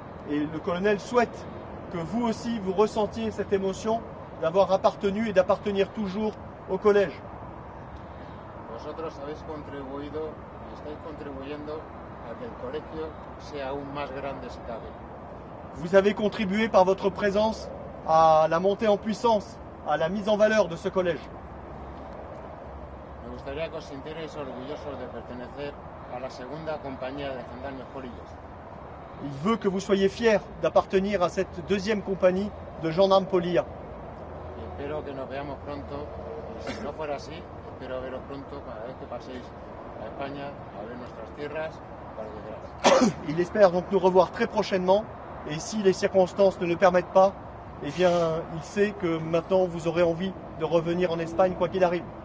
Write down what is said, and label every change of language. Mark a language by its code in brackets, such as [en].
[fr] Et le colonel souhaite que vous aussi vous ressentiez cette émotion d'avoir appartenu et d'appartenir toujours au collège. [es] Vosotros habéis contribuido y estáis contribuyendo a que el colegio sea aún más grande si cabe. [fr] Vous avez contribué par votre présence à la montée en puissance, à la mise en valeur de ce collège. [es] Me gustaría que os sintierais orgullosos de pertenecer a la segunda compañía de gendarmes polillos. [fr] Il veut que vous soyez fiers d'appartenir à cette deuxième compagnie de gendarmes polillas. [es] Espero que nos veamos pronto. Si no fuera así, espero veros pronto cada vez que paséis a España a ver nuestras tierras. [fr] Il espère donc nous revoir très prochainement et si les circonstances ne le permettent pas, eh bien il sait que maintenant vous aurez envie de revenir en Espagne quoi qu'il arrive.